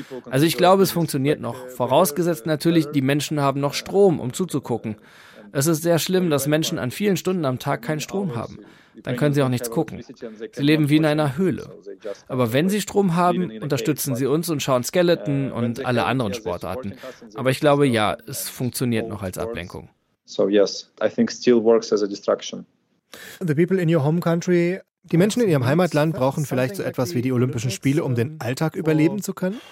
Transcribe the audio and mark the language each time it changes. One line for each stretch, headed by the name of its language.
German: Also ich glaube, es funktioniert noch. Vorausgesetzt natürlich, die Menschen haben noch Strom, um zuzugucken. Es ist sehr schlimm, dass Menschen an vielen Stunden am Tag keinen Strom haben. Dann können sie auch nichts gucken. Sie leben wie in einer Höhle. Aber wenn sie Strom haben, unterstützen sie uns und schauen Skeleton und alle anderen Sportarten. Aber ich glaube, ja, es funktioniert noch als Ablenkung.
English: So, yes, I think still works as a distraction. The people in your home country.
German: Die Menschen in ihrem Heimatland brauchen vielleicht so etwas wie die Olympischen Spiele, um den Alltag überleben zu können?